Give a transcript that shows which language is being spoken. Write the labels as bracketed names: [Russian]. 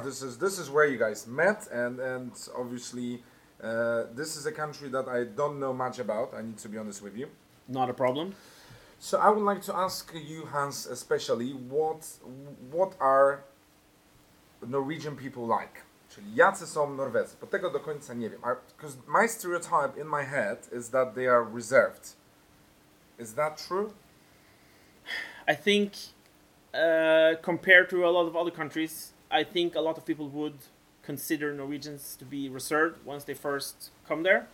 [English] This is where you guys met, and obviously... this is a country that I don't know much about, I need to be honest with you. Not a problem. So I would like to ask you, Hans, especially, what are Norwegian people like? [Polish] Czyli jacy są Norwegowie? Bo tego do końca nie wiem. [English] Because my stereotype in my head is that they are reserved. Is that true? I think, compared to a lot of other countries, I think a lot of people would consider Norwegians to be reserved once they first come there.